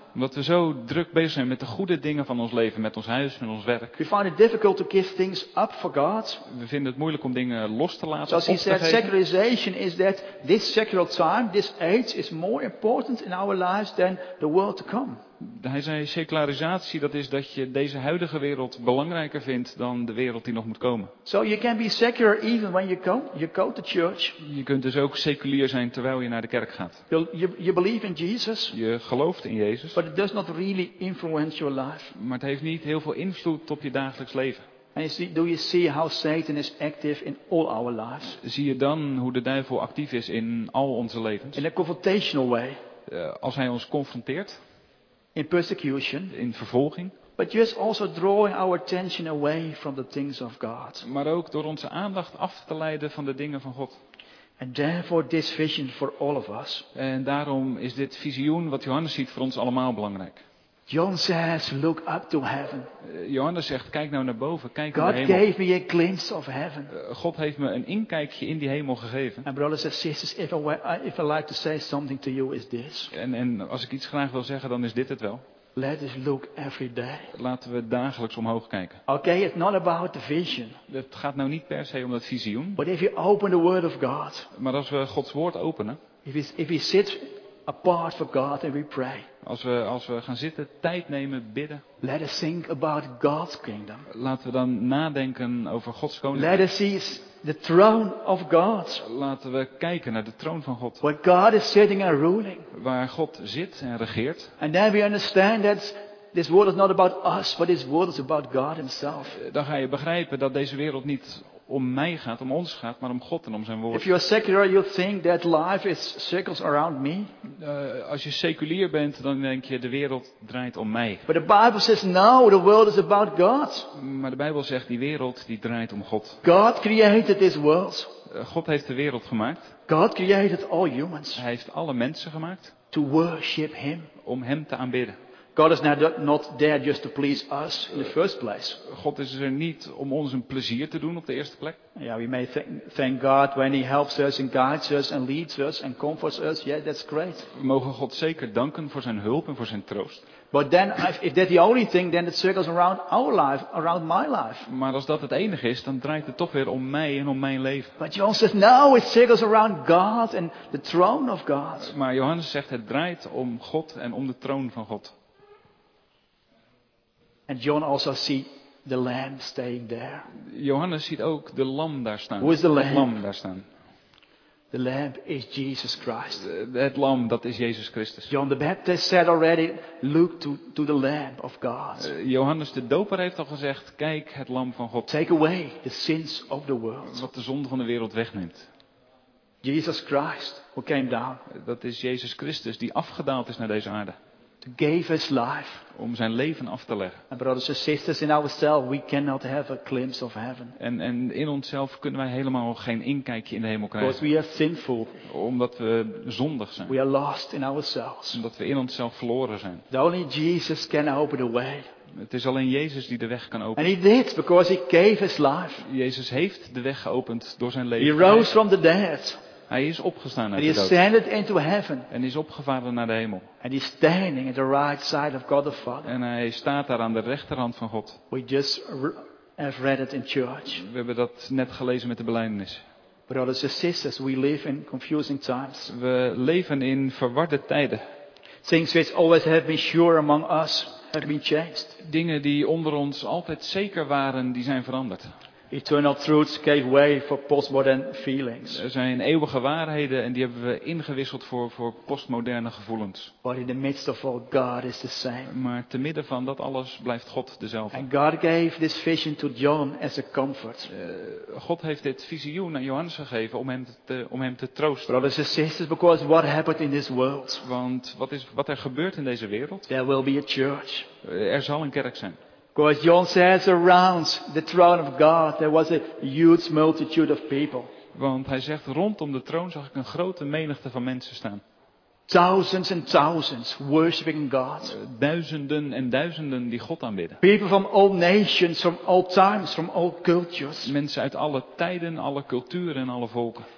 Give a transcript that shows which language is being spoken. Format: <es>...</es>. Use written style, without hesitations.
<nl>Omdat we zo druk bezig zijn met de goede dingen van ons leven, met ons huis, met ons werk.</nl> <en>We find it difficult to give things up for God.</en> <nl>We vinden het moeilijk om dingen los te laten. Zoals hij zei,</nl> <en>secularization is that this secular time, this age, is more important in our lives than the world to come.</en> <nl>Hij zei, secularisatie, dat is dat je deze huidige wereld belangrijker vindt dan de wereld die nog moet komen.</nl> <en>So you can be secular even when you go to church.</en> <nl>Je kunt dus ook seculier zijn terwijl je naar de kerk gaat.</nl> <en>You believe in Jesus.</en> <nl>Je gelooft in Jezus.</nl> <en>But it does not really influence your life.</en> <nl>Maar het heeft niet heel veel invloed op je dagelijks leven.</nl> <en>And do you see how Satan is active in all our lives?</en> <nl>Zie je dan hoe de duivel actief is in al onze levens?</nl> <en>In a confrontational way.</en> <nl>Als hij ons confronteert.</nl> <en>In persecution.</en> <nl>In vervolging.</nl> <en>But just also drawing our attention away from the things of God.</en> <nl>Maar ook door onze aandacht af te leiden van de dingen van God.</nl> <en>And therefore this vision for all of us.</en> <nl>En daarom is dit visioen wat Johannes ziet voor ons allemaal belangrijk.</nl> <en>John says, look up to heaven.</en> <nl>Johannes zegt, kijk nou naar boven, kijk</nl> <en>God</en> <nl>naar de hemel.</nl> <en>Gave me a glimpse of heaven.</en> <nl>God heeft me een inkijkje in die hemel gegeven.</nl> <en>And brothers and sisters, if I like to say something to you, is this.</en> <nl>En als ik iets graag wil zeggen, dan is dit het wel.</nl> <en>Let us look every day.</en> <nl>Laten we dagelijks omhoog kijken.</nl> <en>Okay, it's not about the vision.</en> <nl>Het gaat nou niet per se om dat visioen.</nl> <en>But if you open the word of God.</en> <nl>Maar als we Gods woord openen.</nl> <en>If we sit apart for God and we pray.</en> <nl>Als we gaan zitten, tijd nemen, bidden.</nl> <en>Let us think about God's kingdom.</en> <nl>Laten we dan nadenken over Gods koninkrijk.</nl> <en>Let us see the throne of God.</en> <nl>Laten we kijken naar de troon van God.</nl> <en>Where God is sitting and ruling.</en> <nl>Waar God zit en regeert.</nl> <en>And then we understand that this world is not about us, but this world is about God himself.</en> <nl>Dan ga je begrijpen dat deze wereld niet om mij gaat, om ons gaat, maar om God en om zijn woord.</nl> <en>If you are secular, you think that life is circles around me.</en> <nl>Als je seculier bent, dan denk je de wereld draait om mij.</nl> <en>But the Bible says no, the world is about God.</en> <nl>Maar de Bijbel zegt die wereld die draait om God.</nl> <en>God created this world.</en> <nl>God heeft de wereld gemaakt.</nl> <en>God created all humans.</en> <nl>Hij heeft alle mensen gemaakt.</nl> <en>To worship him.</en> <nl>Om hem te aanbidden.</nl> <en>God is not there just to please us in the first place.</en> <nl>God is er niet om ons een plezier te doen op de eerste plek.</nl> <en>Yeah, we may thank God when he helps us and guides us and leads us and comforts us. Yeah, that's great.</en> <nl>We mogen God zeker danken voor zijn hulp en voor zijn troost.</nl> <en>But then if that's the only thing, then it circles around our life, around my life.</en> <nl>Maar als dat het enige is, dan draait het toch weer om mij en om mijn leven.</nl> <en>But John says no, it circles around God and the throne of God.</en> <nl>Maar Johannes zegt het draait om God en om de troon van God.</nl> <en>And John also see the lamb staying there.</en> <nl>Johannes ziet ook de lam daar staan.</nl> <en>Who is the lamb?</en> <nl>Het lam daar staan.</nl> <en>The lamb is Jesus Christ.</en> <nl>Het lam, dat is Jezus Christus.</nl> <en>John the Baptist said already, look to the lamb of God.</en> <nl>Johannes de Doper heeft al gezegd, kijk het lam van God.</nl> <en>Take away the sins of the world.</en> <nl>Wat de zonde van de wereld wegneemt.</nl> <en>Jesus Christ who came down.</en> <nl>Dat is Jezus Christus die afgedaald is naar deze aarde.</nl> <en>To give his life.</en> <nl>Om zijn leven af te leggen.</nl> <en>And brothers and sisters, in ourselves we cannot have a glimpse of heaven.</en> <nl>En in onszelf kunnen wij helemaal geen inkijkje in de hemel krijgen.</nl> <en>Because we are sinful.</en> <nl>Omdat we zondig zijn.</nl> <en>We are lost in ourselves.</en> <nl>Omdat we in onszelf verloren zijn.</nl> <en>The only Jesus can open the way.</en> <nl>Het is alleen Jezus die de weg kan openen.</nl> <en>And he did because he gave his life.</en> <nl>Jezus heeft de weg geopend door zijn leven.</nl> <en>He rose from the dead.</en> <nl>Hij is opgestaan uit de dood.</nl> <en>And he ascended into heaven.</en> <nl>En is opgevaren naar de hemel.</nl> <en>And he's standing at the right side of God the Father.</en> <nl>En hij staat daar aan de rechterhand van God.</nl> <en>We just have read it in church.</en> <nl>We hebben dat net gelezen met de belijdenis.</nl> <en>Brothers and sisters, we live in confusing times.</en> <nl>We leven in verwarde tijden.</nl> <en>Things which always have been sure among us have been changed.</en> <nl>Dingen die onder ons altijd zeker waren, die zijn veranderd.</nl> <en>Eternal truths gave way for postmodern feelings.</en> <nl>Er zijn eeuwige waarheden en die hebben we ingewisseld voor postmoderne gevoelens.</nl> <en>But in the midst of all, God is the same.</en> <nl>Maar te midden van dat alles blijft God dezelfde.</nl> <en>And God gave this vision to John as a comfort.</en> <nl>God heeft dit visioen aan Johannes gegeven om hem te troosten.</nl> <en>Brothers and sisters, because what happened in this world?</en> <nl>Want wat er gebeurt in deze wereld?</nl> <en>There will be a church.</en> <nl>Er zal een kerk zijn.</nl> <en>Because John says around the throne of God there was a huge multitude of people.</en> <nl>Want hij zegt rondom de troon zag ik een grote menigte van mensen staan.</nl> <en>Thousands and thousands worshiping God.</en> <nl>Duizenden en duizenden die God aanbidden.</nl> <en>People from all nations, from all times, from all cultures.</en> <nl>Mensen uit alle tijden, alle culturen en alle volken.</nl>